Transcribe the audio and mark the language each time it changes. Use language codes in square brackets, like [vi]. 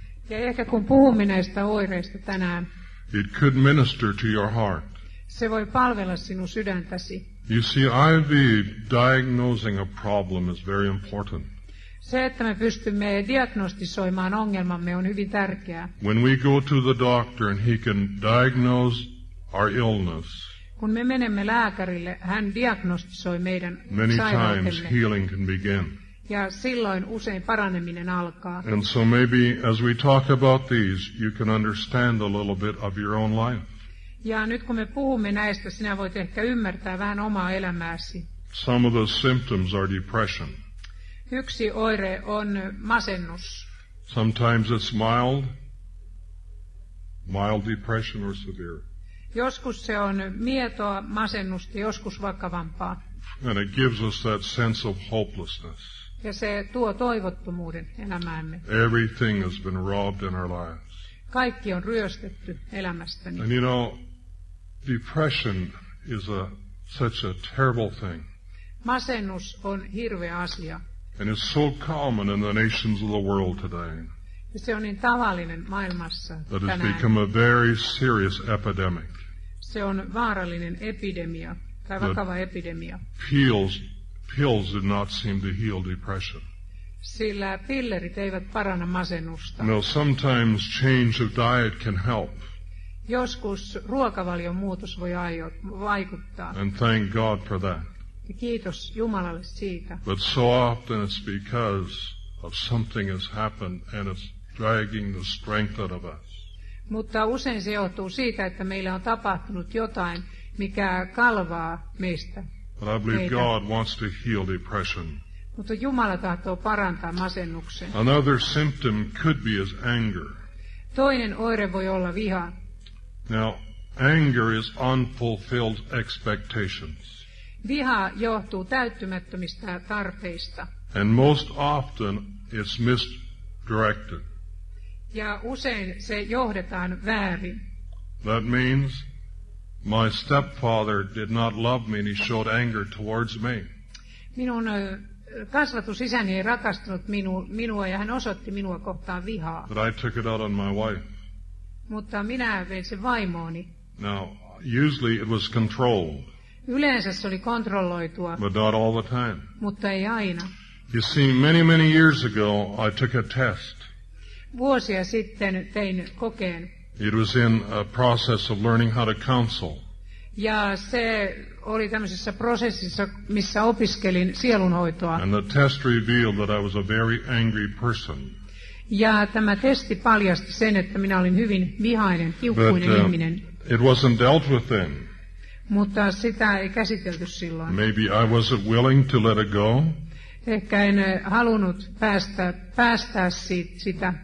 [fi] ja ehkä kun puhumme näistä oireista tänään, [en] it could minister to your heart. [fi] Se voi palvella sinun sydäntäsi. [en] You see, IV diagnosing a problem is very important. [fi] Se, että me pystymme diagnostisoimaan ongelmamme, on hyvin tärkeää. [en] When we go to the doctor and he can diagnose our illness, [fi] kun me menemme lääkärille, hän diagnostisoi meidän sairautemme. [en] Many times healing can begin. [fi] Ja silloin usein paraneminen alkaa. [en] And so maybe as we talk about these, you can understand a little bit of your own life. [fi] Ja nyt kun me puhumme näistä, sinä voit ehkä ymmärtää vähän omaa elämääsi. [en] Some of those symptoms are depression. [fi] Yksi oire on masennus. [en] Sometimes it's mild depression or severe. [fi] Joskus se on mietoa masennusta, joskus vakavampaa. [en] And it gives us that sense of hopelessness. [fi] Ja se tuo toivottomuuden elämäämme. [en] Everything has been robbed in our lives. [fi] Kaikki on ryöstetty elämästäni. [en] And you know, depression is such a terrible thing. [fi] Masennus on hirveä asia. [en] And it's so common in the nations of the world today. [fi] Ja se on niin tavallinen maailmassa tänään. [en] That has become a very serious epidemic. [fi] Se on vaarallinen epidemia, tai vakava epidemia. [en] Pills did not seem to heal depression. [fi] Sillä pillerit eivät paranna masennusta. [en] No, sometimes change of diet can help. [fi] Joskus ruokavalion muutos voi vaikuttaa. [en] And thank God for that. [fi] Kiitos Jumalalle siitä. [en] But so often it's because of something has happened and it's dragging the strength out of us. [fi] Mutta usein se johtuu siitä, että meillä on tapahtunut jotain, mikä kalvaa meistä. [en] But I believe God wants to heal depression. [fi] Mutta Jumala tahtoo parantaa masennuksen. [en] Another symptom could be his anger. [fi] Toinen oire voi olla viha. [en] Now, anger is unfulfilled expectations. [fi] Viha johtuu täyttymättömistä tarpeista. [en] And most often it's misdirected. [fi] Ja usein se johdetaan väärin. [en] That means my stepfather did not love me and he showed anger towards me. [fi] Minun kasvatusisäni ei rakastanut minua ja hän osoitti minua kohtaan vihaa. [en] But I took it out on my wife. [fi] Mutta minä vein sen vaimooni. [en] Now, usually it was controlled. [fi] Yleensä se oli kontrolloitua. [en] But not all the time. [fi] Mutta ei aina. [en] You see, many, many years ago, I took a test. [fi] Vuosia sitten tein kokeen. [en] It was in a process of learning how to counsel. [fi] Ja se oli tämmöisessä prosessissa, missä opiskelin sielunhoitoa. [en] And the test revealed that I was a very angry person. [fi] Ja tämä testi paljasti sen, että minä olin hyvin vihainen, kiukkuinen ihminen. [en] It wasn't dealt with then. [fi] Mutta sitä ei käsitelty silloin. [en] Maybe I wasn't willing to let it go. [fi] Ehkä en halunnut päästää sitä.